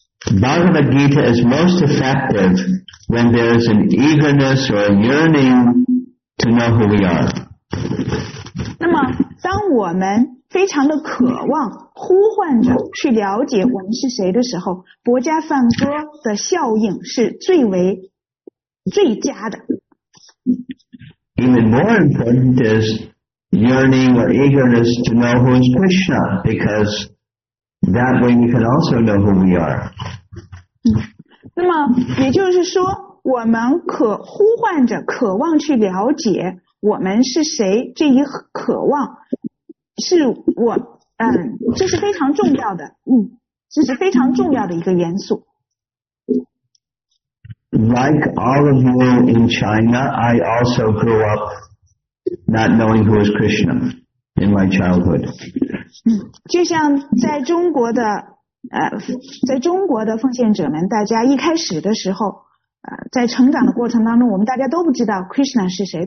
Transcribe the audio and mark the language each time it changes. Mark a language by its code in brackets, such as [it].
[en] Bhagavad Gita is most effective when there is an eagerness or a yearning to know who we are. [zh] 那么当我们非常的渴望呼唤着去了解我们是谁的时候，博家梵歌的效应是最佳的。 [en] Even more important is yearning or eagerness to know who is Krishna, because that way we can also know who we are. [zh] 那么也就是说，我们可呼唤着渴望去了解我们是谁，这一渴望是我这是非常重要的，这是非常重要的一个元素。 [en] Like all of you in China, I also grew up not knowing who is Krishna in my childhood. [zh] 就像在中国的在中国的奉献者们，大家一开始的时候，在成长的过程当中，我们大家都不知道 Krishna 是谁。